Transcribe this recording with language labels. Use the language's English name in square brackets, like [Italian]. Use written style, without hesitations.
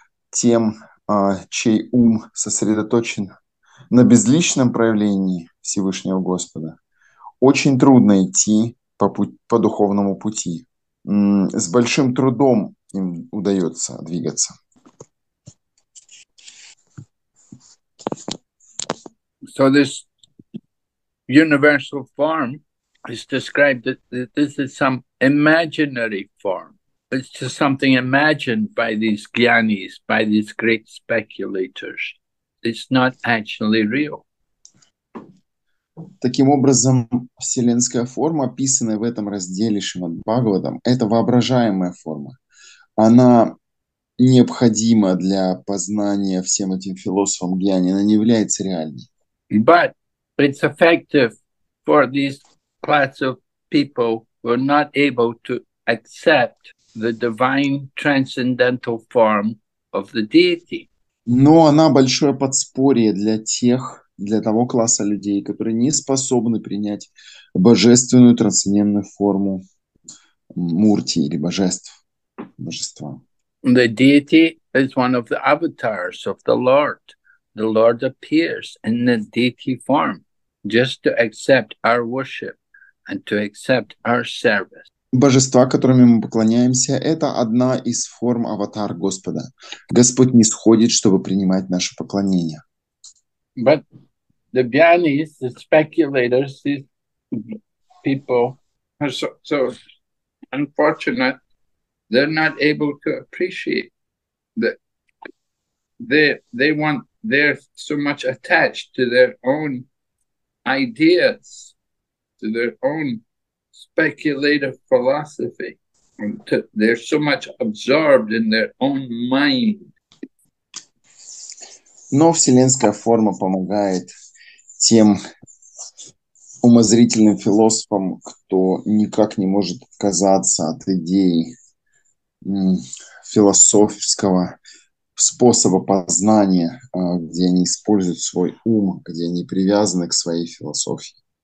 [Russian] Тем, чей ум сосредоточен на безличном проявлении Всевышнего Господа, очень трудно идти по духовному пути. С большим трудом им удается двигаться. [English] So this universal form is described that this is some imaginary form. It's just something imagined by these gyanis, by these great speculators. It's not actually real. [Russian] Таким образом, вселенская форма, описанная в этом разделе Шримад-Бхагаватам, это воображаемая форма. Она необходима для познания всем этим философам гьяни, она не является реальной. [English] But it's effective for these class of people who are not able to accept the divine transcendental form of the deity. [Russian] Но она большое подспорье для тех, для того класса людей, которые не способны принять божественную трансцендентную форму мурти или божеств, божества. [English] The deity is one of the avatars of the Lord. The Lord appears in the deity form just to accept our worship and to accept our service. [Russian] Божества, которыми мы поклоняемся, это одна из форм аватар Господа. Господь нисходит, чтобы принимать наше поклонение. [English] But the gyanis, the speculators, these people are so unfortunate, they're not able to appreciate that they're so much attached to their own ideas, to their own speculative philosophy, they're so much absorbed in their own mind. [Russian] Но вселенская форма помогает тем умозрительным философам, кто никак не может отказаться от идеи философского способа познания, где они используют свой ум, где они привязаны к своей философии.